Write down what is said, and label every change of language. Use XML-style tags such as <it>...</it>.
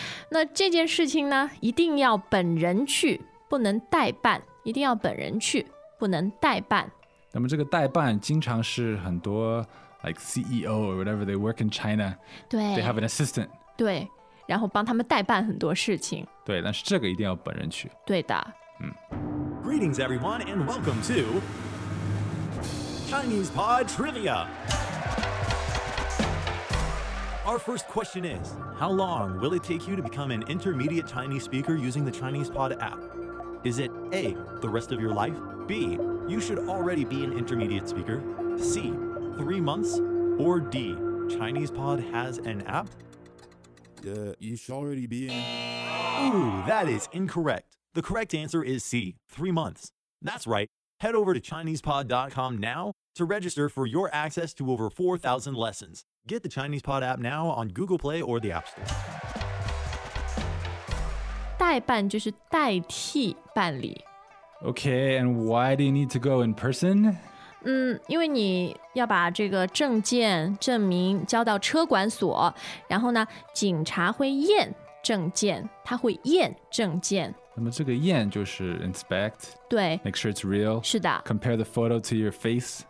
<zh>那这件事情呢，一定要本人去，不能代办，一定要本人去，不能代办。那么这个代办经常是很多</zh> <en>like CEO or whatever, they work in China.</en> <zh>对。</zh> <en>They have an assistant.</en> <zh>对，然后帮他们代办很多事情。对，但是这个一定要本人去。对的。</zh> <en>Greetings everyone and welcome to Chinese Pod Trivia. Our first question is, how long will it take you to become an intermediate Chinese speaker using the Chinese Pod app? Is it A, the rest of your life, B, you should already be an intermediate speaker, C, 3 months, or D, ChinesePod has an app? You should already be in... Ooh, that is incorrect. The correct answer is C, 3 months. That's right. Head over to ChinesePod.com now to register for your access to over 4,000 lessons. Get the ChinesePod app now on Google Play or the App Store.</en> <zh>代办就是代替办理。</zh> <en>Okay, and why do you need to go in person?</en> <zh>因为你要把这个证件证明交到车管所，然后呢，警察会验证件，他会验证件。那么这个验就是 inspect, 对</zh> <en>，make sure it's real.</en> <zh>是的。</zh> <en>Compare the photo to your face.</en>